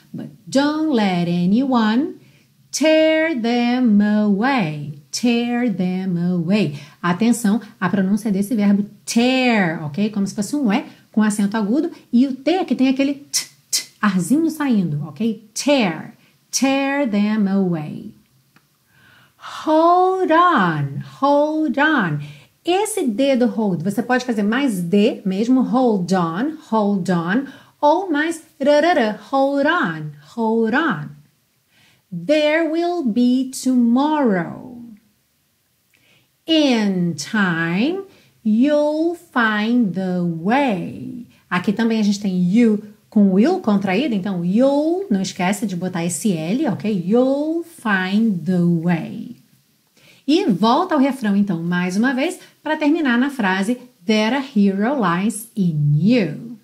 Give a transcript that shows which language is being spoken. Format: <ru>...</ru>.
<en>But don't let anyone tear them away. Tear them away.</en> <pt>Atenção à pronúncia desse verbo tear, ok? Como se fosse um E com acento agudo. E o T que tem aquele t, t, arzinho saindo, ok? Tear.</pt> <en>Tear them away. Hold on, hold on.</en> <pt>Esse D do hold, você pode fazer mais D mesmo, hold on, ou mais rarara, hold on, hold on.</pt> <en>There will be tomorrow. In time, you'll find the way.</en> <pt>Aqui também a gente tem you com will contraído, então you'll, não esquece de botar esse L, ok? You'll find the way. E volta ao refrão, então, mais uma vez, para terminar na frase</pt> <en>There a hero lies in you.</en>